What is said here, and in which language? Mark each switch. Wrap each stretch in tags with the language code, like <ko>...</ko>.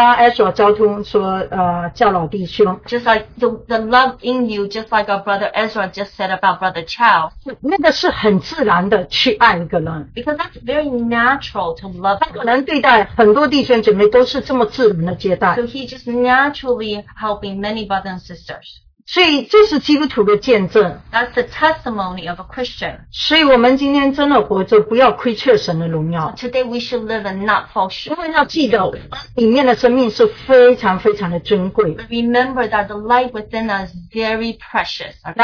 <zh>然后你里面的爱，像刚刚Ezra教徒说，叫老弟兄。</zh> <en>Just like the love in you, just like our brother Ezra just said about brother Chow.</en> <zh>那个是很自然的去爱一个人。</zh> <en>Because that's very natural to love.</en> <zh>他可能对待很多弟兄姐妹都是这么自然的接待。</zh> <en>So he's just naturally helping many brothers and sisters.</en> <zh>所以这是基督徒的见证。</zh> <en>That's the testimony of a Christian.</en> <zh>所以我们今天真的活着，不要亏缺神的荣耀。</zh> <en>So today we should live and not fall short.</en> <zh>因为要记得，里面的生命是非常非常的珍贵。</zh> <en>Remember that the life within us is very precious.</en>